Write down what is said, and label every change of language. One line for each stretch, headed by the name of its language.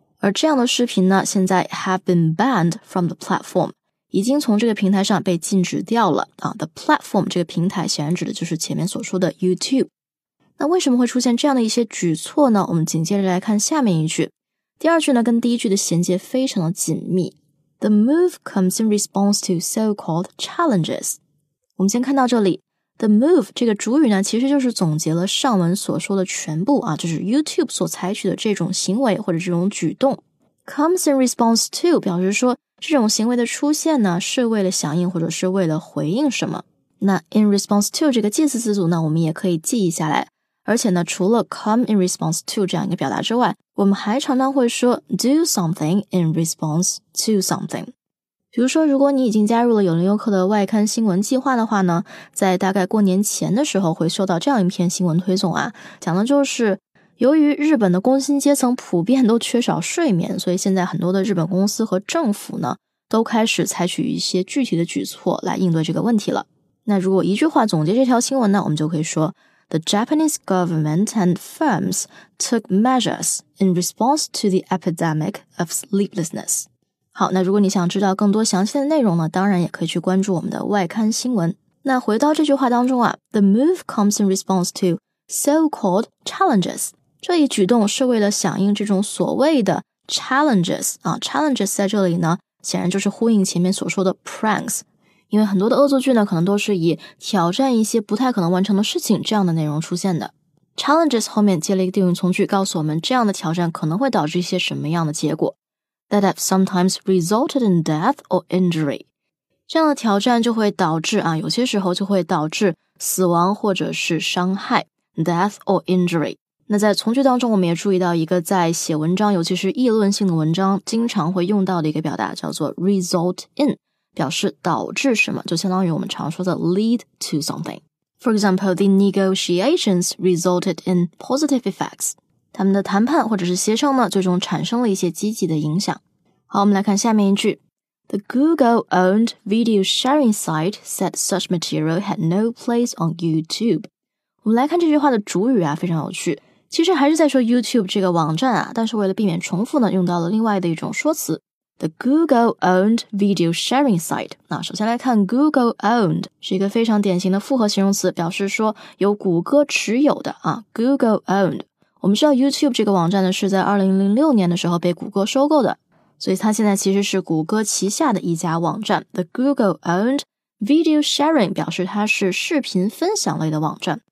Chinese: 而这样的视频呢，现在
English: have been banned from the platform，
Chinese: 已经从这个平台上被禁止掉了啊。
English: The platform
Chinese: 这个平台显然指的就是前面所说的 YouTube。那为什么会出现这样的一些举措呢？我们紧接着来看下面一句。第二句呢，跟第一句的衔接非常的紧密。
English: The move comes in response to so-called challenges。
Chinese: 我们先看到这里，
English: The move
Chinese: 这个主语呢，其实就是总结了上文所说的全部啊，就是 YouTube 所采取的这种行为或者这种举动。
English: Comes in response to
Chinese: 表示说这种行为的出现呢，是为了响应或者是为了回应什么。那
English: in response to
Chinese: 这个介词词组呢，我们也可以记忆下来。而且呢，除了
English: come in response to
Chinese: 这样一个表达之外，我们还常常会说
English: do something in response to something。
Chinese: 比如说，如果你已经加入了有声优课的外刊新闻计划的话呢，在大概过年前的时候会收到这样一篇新闻推送啊，讲的就是由于日本的工薪阶层普遍都缺少睡眠，所以现在很多的日本公司和政府呢，都开始采取一些具体的举措来应对这个问题了。那如果一句话总结这条新闻呢，我们就可以说
English: The Japanese government and firms took measures in response to the epidemic of sleeplessness。
Chinese: 好，那如果你想知道更多详细的内容呢，当然也可以去关注我们的外刊新闻。那回到这句话当中啊，
English: The move comes in response to so-called challenges。
Chinese: 这一举动是为了响应这种所谓的 challenges 啊， challenges 在这里呢，显然就是呼应前面所说的 pranks。因为很多的恶作剧呢，可能都是以挑战一些不太可能完成的事情这样的内容出现的。 challenges 后面接了一个定语从句，告诉我们这样的挑战可能会导致一些什么样的结果，
English: that have sometimes resulted in death or injury.
Chinese: 这样的挑战就会导致啊，有些时候就会导致死亡或者是伤害，
English: death or injury.
Chinese: 那在从句当中我们也注意到一个在写文章，尤其是议论性的文章经常会用到的一个表达，叫做
English: result in,
Chinese: 表示导致什么，就相当于我们常说的
English: lead to something. For example, the negotiations resulted in positive effects.
Chinese: 他们的谈判或者是协商呢，最终产生了一些积极的影响。好，我们来看下面一句。
English: The Google-owned video sharing site said such material had no place on YouTube.
Chinese: 我们来看这句话的主语啊，非常有趣。其实还是在说 YouTube 这个网站啊，但是为了避免重复呢，用到了另外的一种说辞。
English: The Google-owned video sharing site.
Chinese: 那首先来看 Google-owned 是一个非常典型的复合形容词，表示说由谷歌持有的啊， Google-owned。我们知道 YouTube 这个网站呢是在2006年的时候被谷歌收购的，所以它现在其实是谷歌旗下的一家网站。
English: The Google-owned video sharing
Chinese: 表示它是视频分享类的网站。